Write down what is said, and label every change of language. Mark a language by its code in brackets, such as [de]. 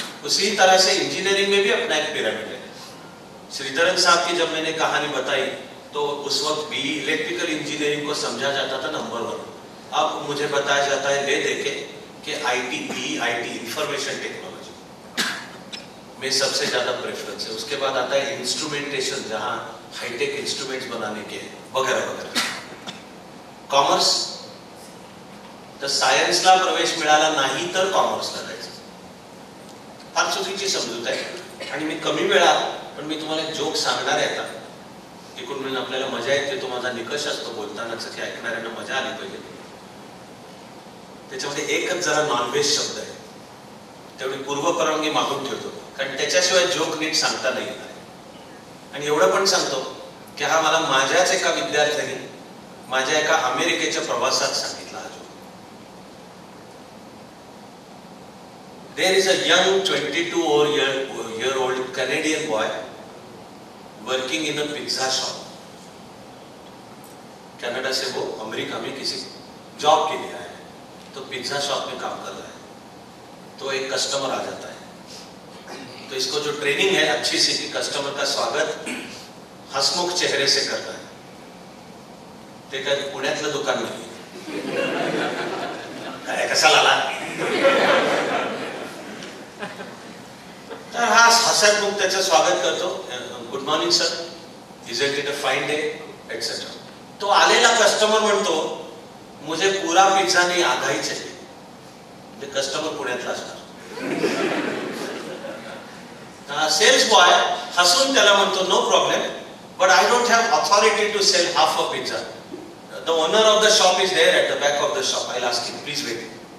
[hi] उसी तरह से इंजीनियरिंग में भी अपना एक पिरामिड है। श्रीधरन साहब की जब मैंने कहानी बताई तो उस वक्त भी इलेक्ट्रिकल इंजीनियरिंग को समझा जाता था नंबर वन, अब मुझे बताया जाता है देखे कि आईटी इंफॉर्मेशन टेक्नोलॉजी में सबसे ज्यादा प्रेफरेंस है, उसके बाद आता है इंस्ट्रूमेंटेशन जहां हाईटेक इंस्ट्रूमेंट बनाने के वगैरह वगैरह। [mr] कॉमर्स तो सायन्स ला प्रवेश मिळाला नाही तर कॉमर्स ला जायचं, फार चुकीची समजूत आहे। आणि मी कमी वेळा पण मी तुम्हाला जोक सांगणार आहे, आता ऐकून म्हणून आपल्याला मजा येते, तो माझा निकष असतो बोलताना की ऐकणाऱ्यांना मजा आली पाहिजे। त्याच्यामध्ये एकच जरा नॉनव्हेज शब्द आहे, तेवढी पूर्वपरवानगी मागून ठेवतो कारण त्याच्याशिवाय जोक नीट सांगता नाही येणार। आणि एवढं पण सांगतो की हा मला माझ्याच एका विद्यार्थ्याने माझ्या एका अमेरिकेच्या प्रवासात सांगितला। [en] There is a young 22-year-old Canadian boy working in a pizza shop. [hi] Canada से वो अमेरिका में किसी जॉब के लिए आया है, तो पिज्जा शॉप में काम कर रहा है, तो एक कस्टमर आ जाता है, तो इसको जो ट्रेनिंग है अच्छी सी कि कस्टमर का स्वागत हसमुख चेहरे से करना है, [mr] ते का पुण्यातलं दुकान नाही है, कसा लाला तर हा हसत मुख त्याचं स्वागत करतो, [en] Good morning sir, is it it a fine day etcetera. [mr] तो आलेला कस्टमर म्हणतो [hi] मुझे पूरा पिझ्झा नहीं आधाही चाहिए, [mr] म्हणजे कस्टमर पुण्यातला असणार। तर सेल्स बॉय हसून त्याला म्हणतो [en] No problem, but I don't have authority to sell half a pizza, the owner of the shop is there at the back of the shop, I will ask him please wait.